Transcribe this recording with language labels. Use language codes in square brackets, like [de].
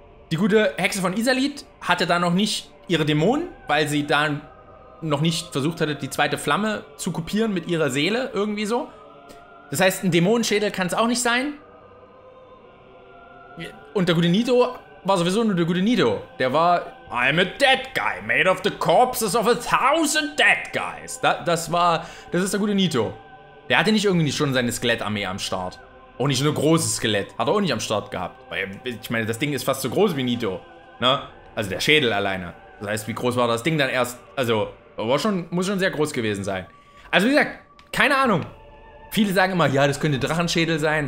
[de] Die gute Hexe von Izalith hatte da noch nicht ihre Dämonen, weil sie da noch nicht versucht hatte, die zweite Flamme zu kopieren mit ihrer Seele, irgendwie so. Das heißt, ein Dämonenschädel kann es auch nicht sein. Und der gute Nito war sowieso nur der gute Nito. [en] Der war, I'm a dead guy, made of the corpses of 1000 dead guys. [de] Das ist der gute Nito. Der hatte nicht irgendwie schon seine Skelettarmee am Start. Auch nicht nur ein großes Skelett, hat er auch nicht am Start gehabt. Weil, ich meine, das Ding ist fast so groß wie Nito. Ne? Also der Schädel alleine. Das heißt, wie groß war das Ding dann erst? Also, muss schon sehr groß gewesen sein. Also wie gesagt, keine Ahnung. Viele sagen immer, ja, das könnte Drachenschädel sein.